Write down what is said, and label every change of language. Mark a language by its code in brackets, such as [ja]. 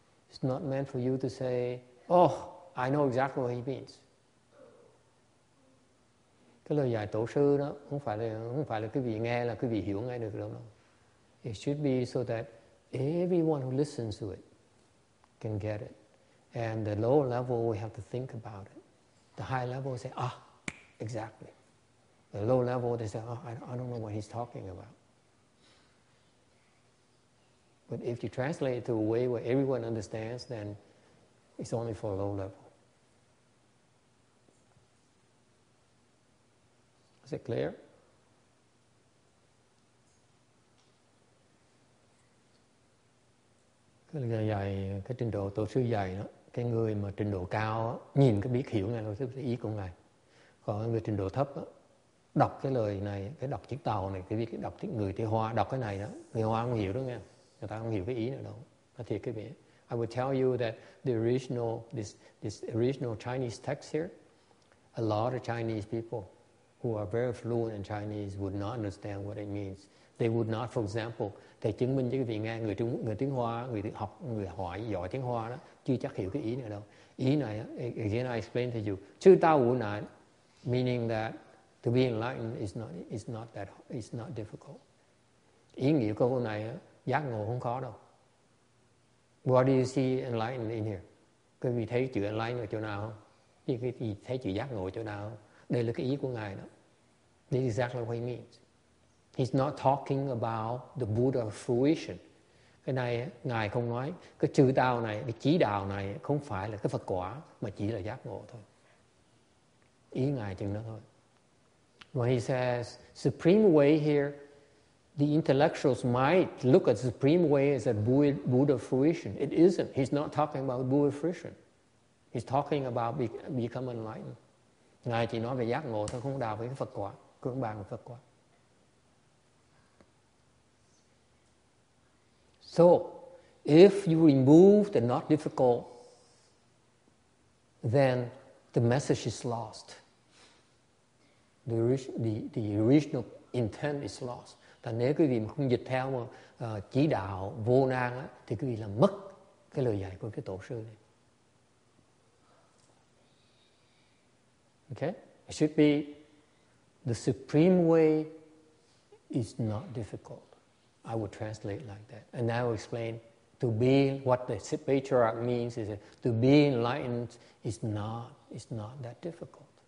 [en] It's not meant for you to say, oh, I know exactly what he means. [vi] Cái lời dạy tổ sư đó không phải là quý vị nghe là quý vị hiểu ngay được đâu. [en] It should be so that everyone who listens to it can get it. And the lower level, we have to think about it. The high level say, ah, exactly. The low level, they say, oh, I don't know what he's talking about. But if you translate it to a way where everyone understands, then it's only for low level. Is it clear? [vi] Dạy cái trình độ tổ sư dạy đó, cái người mà trình độ cao đó, nhìn cái biết hiểu ngay thôi, cái ý của ngài. Còn người trình độ thấp đó, đọc cái lời này, cái đọc chiếc tàu này, cái biết cái đọc tiếng người thì hoa đọc cái này đó, người hoa không hiểu đó nghe, người ta không hiểu cái ý nữa đâu. Nó thiệt cái biết. [en] I will tell you that the original this original Chinese text here, a lot of Chinese people who are very fluent in Chinese would not understand what it means. They would not, for example, [vi] thầy chứng minh cho quý vị nghe, người tiếng Hoa, người học, người hỏi giỏi tiếng Hoa đó, chưa chắc hiểu cái ý này đâu. Ý này, [en] again I explain to you, [zh] chư tao wu nan, [en] meaning that to be enlightened is not difficult. [vi] Ý nghĩa của câu này, giác ngộ không khó đâu. [en] What do you see enlightened in here? [vi] Quý vị thấy chữ enlightened ở chỗ nào không? Quý vị thấy chữ giác ngộ chỗ nào không? Đây là cái ý của ngài đó. [en] This is exactly what he means. He's not talking about the Buddha fruition. [vi] Cái này ngài không nói cái chư tao này, cái chí đạo này không phải là cái Phật quả mà chỉ là giác ngộ thôi. Ý ngài chừng đó thôi. [en] When he says supreme way here, the intellectuals might look at supreme way as a Buddha fruition. It isn't. He's not talking about Buddha fruition. He's talking about become enlightened. [vi] Ngài chỉ nói về giác ngộ thôi, không đào với cái Phật quả, cưỡng bàn Phật quả. [en] So, if you remove the not difficult, then the message is lost. The original intent is lost. [vi] Tại nếu quý vị mà không dịch theo mà chỉ đạo vô năng á, thì quý vị là mất cái lời dạy của cái tổ sư này. [en] Okay? It should be the supreme way is not difficult. I would translate like that. And I will explain to be what the patriarch means is that to be enlightened is not that difficult.